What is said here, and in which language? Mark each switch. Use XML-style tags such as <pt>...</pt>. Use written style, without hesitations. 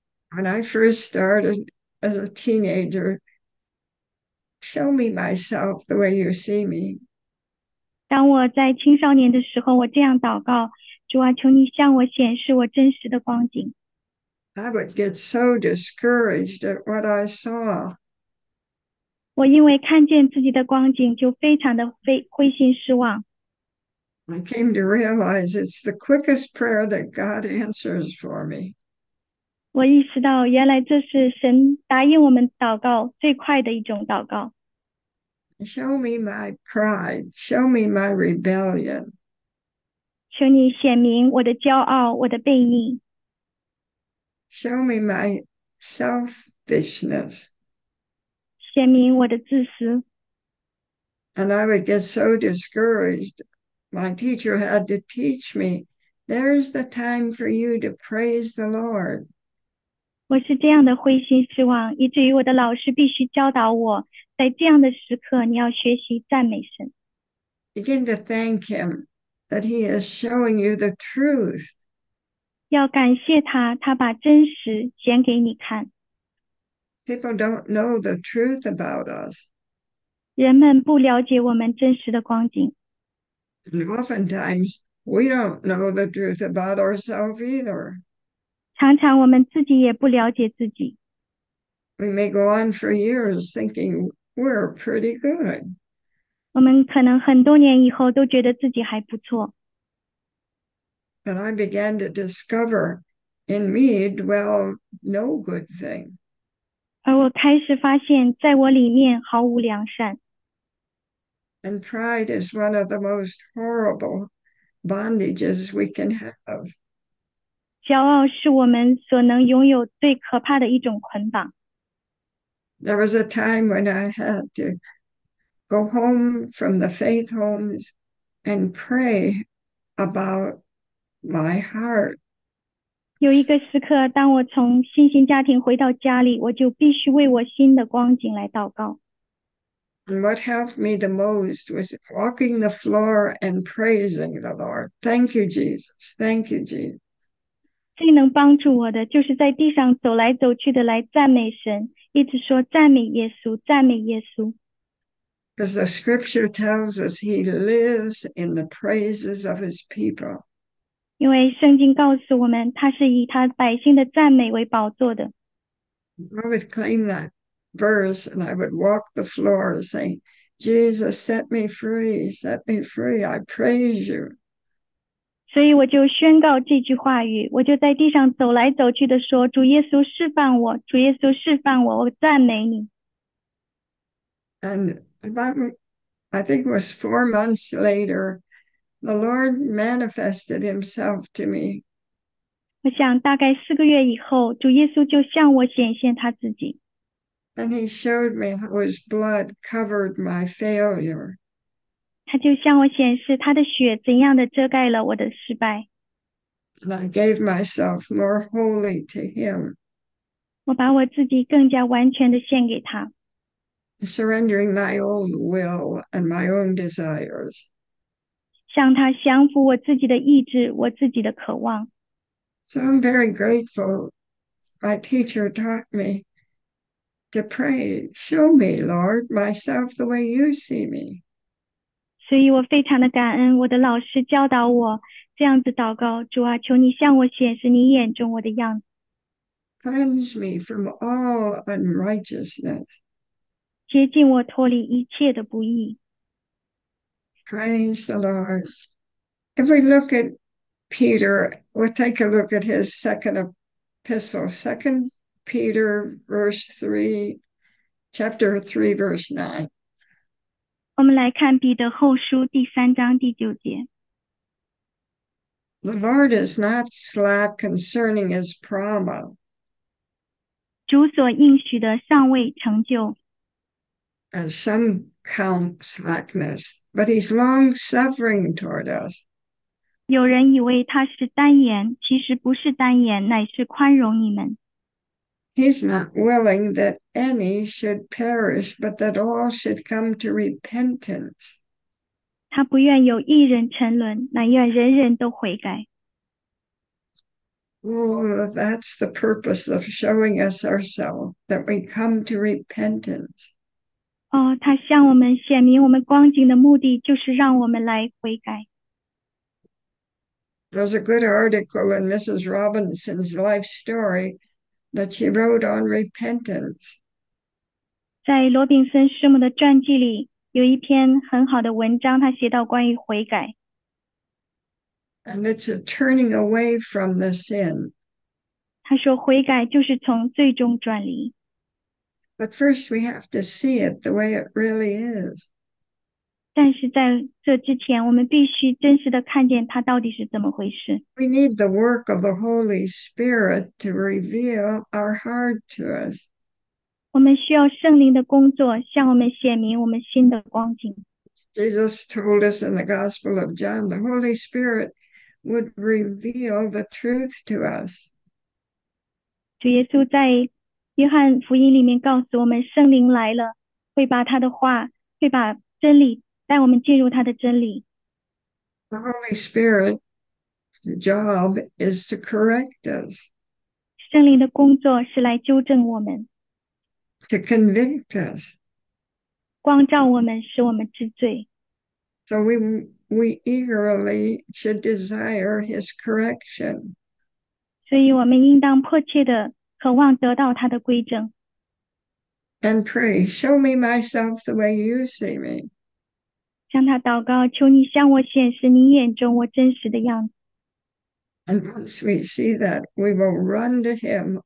<en>When I first started as a teenager, show me myself the way you see me.</en> <zh>当我在青少年的时候，我这样祷告，主啊，求你向我显示我真实的光景。</zh> <en>I would get so discouraged at what I saw.</en> <zh>我因为看见自己的光景，就非常的灰心失望。</zh> <en>I came to realize it's the quickest prayer that God answers for me.</en> <zh>我意识到，原来这是神答应我们祷告最快的一种祷告。</zh> <en>Show me my pride, show me my rebellion.</en> <zh>求你显明我的骄傲，我的悖逆。</zh> <en>Show me my selfishness.</en> <zh>显明我的自私。</zh> <en>And I would get so discouraged. My teacher had to teach me, there's the time for you to praise the Lord.</en> <zh>我是这样的灰心失望，以至于我的老师必须教导我，在这样的时刻，你要学习赞美神。</zh> <en>Begin to thank him that he is showing you the truth.</en> <zh>要感谢他，他把真实显给你看。</zh> <en>People don't know the truth about us.</en> <zh>人们不了解我们真实的光景。</zh> <en>And oftentimes, we don't know the truth about ourselves either.</en> <zh>常常我们自己也不了解自己。</zh> <en>We may go on for years thinking we're pretty good.</en> <zh>我们可能很多年以后都觉得自己还不错。</zh> <en>that I began to discover in me dwell no good thing.</en> <zh>而我开始发现，在我里面毫无良善。</zh> <en>And pride is one of the most horrible bondages we can have.</en> <zh>骄傲是我们所能拥有最可怕的一种捆绑。</zh> <en>There was a time when I had to go home from the faith homes and pray about my heart.</en> <zh>有一个时刻，当我从信心家庭回到家里，我就必须为我心的光景来祷告。</zh> <en>And what helped me the most was walking the floor and praising the Lord. Thank you, Jesus. Thank you, Jesus.</en> <zh>最能帮助我的就是在地上走来走去的来赞美神，一直说赞美耶稣，赞美耶稣。</zh> <en>Because the scripture tells us he lives in the praises of his people.</en> <zh>因为圣经告诉我们，他是以他百姓的赞美为宝座的。</zh> <en>I would claim that verse and I would walk the floor saying, Jesus, set me free, set me free, I praise you.</en> <zh>所以我就宣告这句话语，我就在地上走来走去的说，主耶稣释放我，主耶稣释放我，我赞美你。</zh> <en>And about, I think it was 4 months later, the Lord manifested himself to me.</en> <zh>我想大概4个月以后，主耶稣就向我显现他自己。</zh> <en>And he showed me how his blood covered my failure.</en> <zh>他就向我显示他的血怎样的遮盖了我的失败。</zh> <en>And I gave myself more wholly to him.</en> <zh>我把我自己更加完全的献给他。</zh> <en>Surrendering my own will and my own desires.</en> <zh>向他降服我自己的意志，我自己的渴望。</zh> <en>So I'm very grateful. My teacher taught me to pray, show me, Lord, myself the way you see me.</en> <zh>所以我非常的感恩，我的老师教导我这样子祷告：主啊，求你向我显示你眼中我的样子。</zh> <en>Cleanse me from all unrighteousness.</en> <zh>接近我，脱离一切的不义。</zh> <en>Praise the Lord. If we look at Peter, we'll take a look at his second epistle, 2 Peter, verse 3, chapter 3, verse 9.</en> <zh>我们来看彼得后书第三章第九节。</zh> <en>The Lord is not slack concerning his promise.</en> <zh>主所应许的尚未成就。</zh> <en>As some count slackness, but he's long suffering toward us.</en> <zh>有人以为他是单言，其实不是单言，乃是宽容你们。</zh> <en>He's not willing that any should perish, but that all should come to repentance.</en> <zh>他不愿有一人沉沦，乃愿人人都悔改。</zh> <en>Oh, that's the purpose of showing us ourselves, that we come to repentance.</en> <zh>哦，他向我们显明我们光景的目的，就是让我们来悔改。</zh> <en>There's a good article in Mrs. Robinson's life story that she wrote on repentance.</en> <zh>在罗宾森师母的传记里，有一篇很好的文章，他写到关于悔改。</zh> <en>And it's a turning away from the sin.</en> <zh>他说悔改就是从最终转离。</zh> <en>But first we have to see it the way it really is.</en> <zh>但是在这之前，我们必须真实的看见它到底是怎么回事。</zh> <en>We need the work of the Holy Spirit to reveal our heart to us.</en> <zh>我们需要圣灵的工作，向我们显明我们心的光景。</zh> <en>Jesus told us in the Gospel of John, the Holy Spirit would reveal the truth to us.</en> <zh>主耶稣在约翰福音里面告诉我们，圣灵来了，会把他的话，会把真理。带我们进入他的真理。</zh> <en>The Holy Spirit's job is to correct us,</en> <zh>圣灵的工作是来纠正我们，</zh> <en>to convict us,</en> <zh>光照我们，使我们知罪。</zh> <en>so we eagerly should desire his correction.</en> <zh>所以我们应当迫切地渴望得到他的归正。</zh> <en>And pray, show me myself the way you see me.</en> <zh>向他祷告，求你向我显示你眼中我真实的样子。</zh> <en>And once we see that, we will run to him.</en>